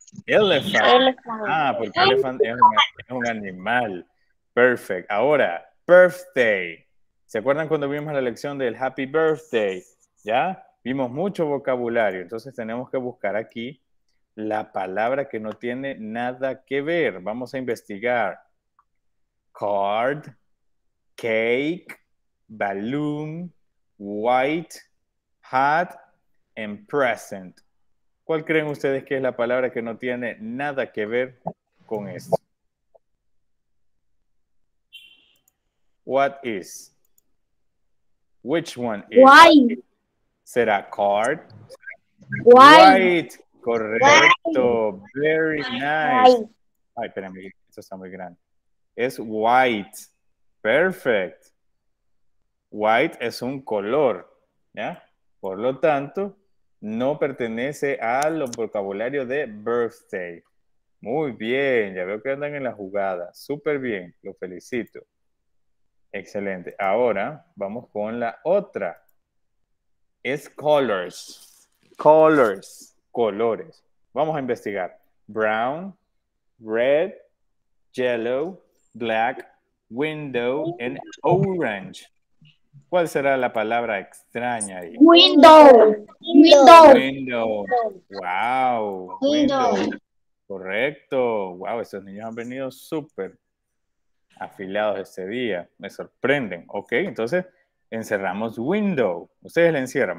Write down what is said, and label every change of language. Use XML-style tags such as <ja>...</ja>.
<es>Elephant. Ah, porque elephant es un animal. Perfect. Ahora, birthday. ¿Se acuerdan cuando vimos la lección del happy birthday? ¿Ya? Vimos mucho vocabulario. Entonces tenemos que buscar aquí la palabra que no tiene nada que ver. Vamos a investigar.</es> <en>Card, cake, balloon, white, hat, and present.</en> <es>¿Cuál creen ustedes que es la palabra que no tiene nada que ver con esto?</es> <en>What is? Which one is? Wine.</en> <es>¿Será card?</es> <en>Wine. White. Wine.</en> <es>Correcto.</es> <en>Very nice. Wine.</en> <es>Ay, espérame, esto está muy grande. Es white. Perfect. White es un color, ¿ya? Por lo tanto, no pertenece al vocabulario de birthday. Muy bien, ya veo que andan en la jugada. Súper bien, lo felicito. Excelente. Ahora vamos con la otra. Es colors. Colors, colores. Vamos a investigar.</es> <en>Brown, red, yellow, black, window, and orange.</en> <es>¿Cuál será la palabra extraña ahí?</es> <en>Window. Window. Wow. Window.</en> <es>Correcto.</es> <en>Wow.</en> <es>Estos niños han venido súper afilados este día. Me sorprenden. Ok. Entonces, encerramos window. Ustedes le encierran.</es>